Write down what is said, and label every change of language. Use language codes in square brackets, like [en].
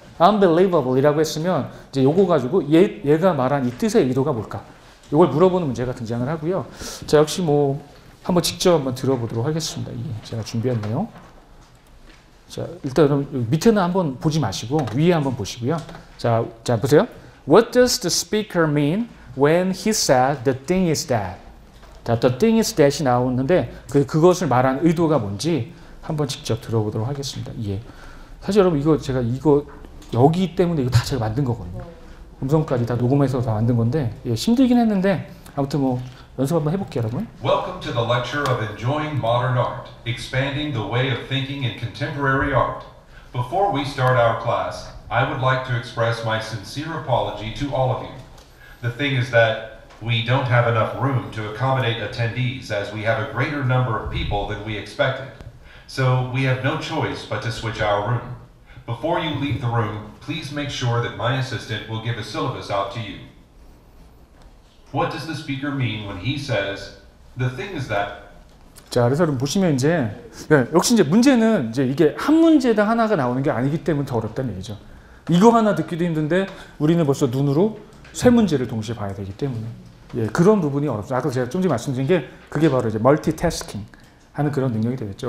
[ko] unbelievable이라고 했으면 이제 요거 가지고 얘가 말한 이 뜻의 의도가 뭘까? 요걸 물어보는 문제가 등장을 하고요. 자, 역시 뭐 한번 직접 한번 들어보도록 하겠습니다. 예, 제가 준비한 내용. 자, 일단 여러분 밑에는 한번 보지 마시고 위에 한번 보시고요. 자 보세요. [en] What does the speaker mean when he said the thing is that? [ko] 자, [en] the thing is that [ko] 이 나오는데 그것을 말한 의도가 뭔지 한번 직접 들어보도록 하겠습니다. 예. 사실 여러분 이거 제가 이거 여기 때문에 이거 다 제가 만든 거거든요. 음성까지 다 녹음해서 다 만든 건데 예, 힘들긴 했는데 아무튼 뭐 연습 한번 해볼게요, 여러분. [en] Welcome to the lecture of Enjoying Modern Art, Expanding the Way of Thinking in Contemporary Art. Before we start our class, I would like to express my sincere apology to all of you. The thing is that we don't have enough room to accommodate attendees as we have a greater number of people than we expected. So we have no choice but to switch our room. Before you leave the room, please make sure that my assistant will give a syllabus out to you. What does the speaker mean when he says the thing is that? [ko] 자, 그래서 여러분 보시면 이제 네, 역시 이제 문제는 이제 이게 한 문제당 하나가 나오는 게 아니기 때문에 더 어렵다는 얘기죠. 이거 하나 듣기도 힘든데 우리는 벌써 눈으로 세 문제를 동시에 봐야 되기 때문에 예, 그런 부분이 어렵죠. 아까 제가 좀 전에 말씀드린 게 그게 바로 이제 멀티태스킹 하는 그런 능력이 되겠죠.